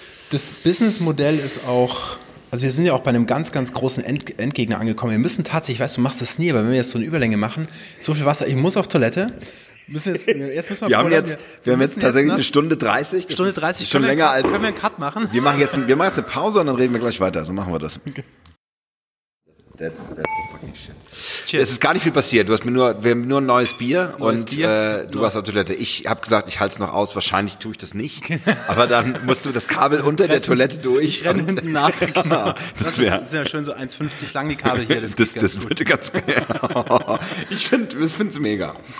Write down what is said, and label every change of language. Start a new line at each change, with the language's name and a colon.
German: Das Businessmodell ist auch, also wir sind ja auch bei einem ganz, ganz großen Endgegner angekommen. Wir müssen tatsächlich, ich weiß, du machst das nie, aber wenn wir jetzt so eine Überlänge machen, so viel Wasser, ich muss auf Toilette. Wir haben jetzt tatsächlich eine Stunde 30. Das Stunde 30 ist schon länger als. Können wir einen Cut machen? Wir machen jetzt eine Pause und dann reden wir gleich weiter. So machen wir das. Okay.
English: That's the fucking shit. Cheers.
German: Es ist gar nicht viel passiert. Wir haben nur ein neues Bier warst auf Toilette. Ich habe gesagt, ich halte es noch aus. Wahrscheinlich tue ich das nicht. Aber dann musst du das Kabel unter der Toilette durch. Ich renne hinten nach. Das sind ja schön so 1,50 lang die Kabel hier. Das würde ganz gerne. Ich finde es mega.